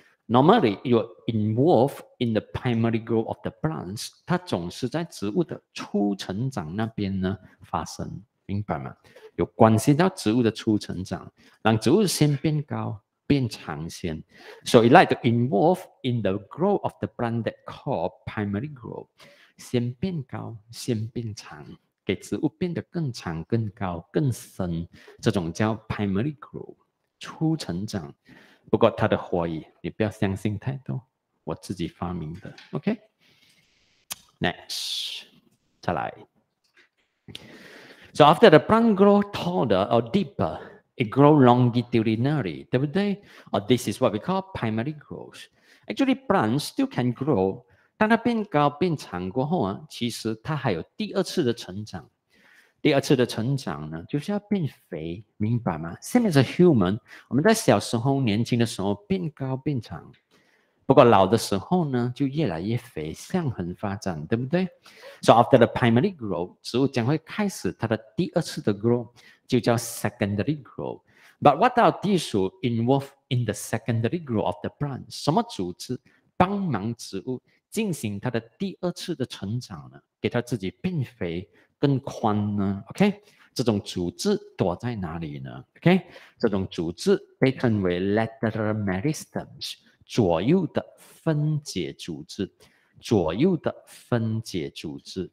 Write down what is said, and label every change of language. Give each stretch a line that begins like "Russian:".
English: Normally, you're involved in the primary growth of the plants.
Chinese: 它总是在植物的初成长那边呢发生，明白吗？有关系到植物的初成长，让植物先变高、变长先。
English: So it like to involve in the growth of the plant that called primary growth.
Chinese: 先变高，先变长，给植物变得更长、更高、更深，这种叫 primary growth, 初成长。不过它的花语你不要相信太多，我自己发明的。
English: OK, next,
Chinese: 再来。
English: So after the plant grow taller or deeper, it grow longitudinally,
Chinese: 对不对？
English: Or this is what we call primary growth. Actually, plants still can grow.
Chinese: 当它变高变长过后啊，其实它还有第二次的成长。第二次的成长呢，就是要变肥，明白吗？
English: Same as a human,
Chinese: 我们在小时候年轻的时候变高变长，不过老的时候呢就越来越肥，向横发展，对不对？
English: So after the primary growth,
Chinese: 植物将会开始它的第二次的 growth, 就叫 secondary growth.
English: But what are these involved in the secondary growth of the plant?
Chinese: 什么组织帮忙植物进行它的第二次的成长呢？给他自己变肥更宽呢 ？OK， 这种组织躲在哪里呢 ？OK， 这种组织被称为 lateral meristems， 左右的分解组织，左右的分解组织。